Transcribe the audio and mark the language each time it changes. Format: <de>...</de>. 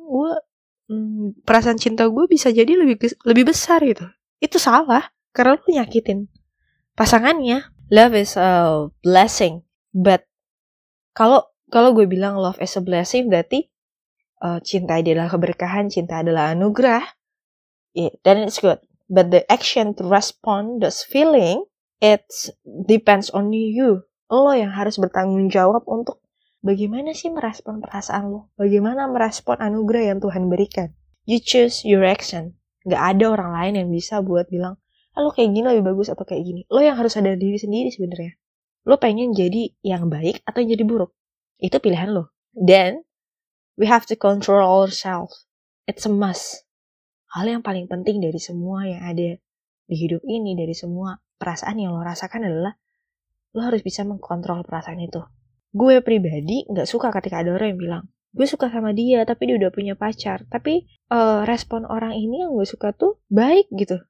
<id>Gue perasaan cinta gue bisa jadi lebih besar gitu. Itu salah karena lo nyakitin pasangannya.</id> <en>Love is a blessing. But</en> <id>kalau gue bilang</id> <en>love is a blessing</en> <id>berarti cinta adalah keberkahan, cinta adalah anugerah.</id> <en>Yeah, then it's good. But the action to respond those feeling, it depends on you.</en> <id>Lo yang harus bertanggung jawab untuk bagaimana sih merespon perasaan lo. Bagaimana merespon anugerah yang Tuhan berikan.</id> <en>You choose your action.</en> <id>Gak ada orang lain yang bisa buat bilang, ah, lo kayak gini lebih bagus atau kayak gini. Lo yang harus sadar diri sendiri sebenarnya. Lo pengen jadi yang baik atau yang jadi buruk. Itu pilihan lo.</id> <en>Then, we have to control ourselves. It's a must.</en> <id>Hal yang paling penting dari semua yang ada di hidup ini, dari semua perasaan yang lo rasakan adalah lo harus bisa mengkontrol perasaan itu. Gue pribadi gak suka ketika ada orang yang bilang, gue suka sama dia tapi dia udah punya pacar. Tapi respon orang ini yang gue suka tuh baik gitu.</id>